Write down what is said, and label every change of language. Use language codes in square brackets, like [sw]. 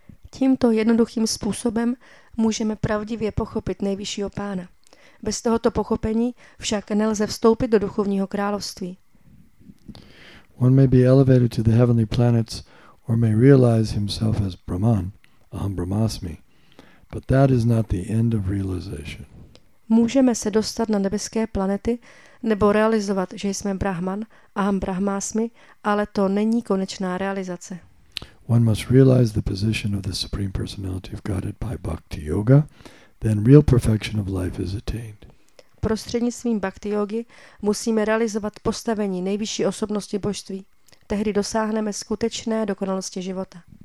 [cs] Tímto jednoduchým způsobem můžeme pravdivě pochopit nejvyššího pána. Bez tohoto pochopení však nelze vstoupit do duchovního království. [en] One may be elevated to the heavenly planets, or may realize himself as Brahman, [sa] aham brahmasmi, [en] but that is not the end of realization. [cs] Můžeme se dostat na nebeské planety nebo realizovat, že jsme Brahman, [sa] aham brahmasmi, [cs] ale to není konečná realizace. [en] One must realize the position of the Supreme Personality of Godhead by bhakti yoga, then real perfection of life is attained. [cs] prostřednictvím bhakti jógy musíme realizovat postavení nejvyšší osobnosti božství. Tehdy dosáhneme skutečné dokonalosti života.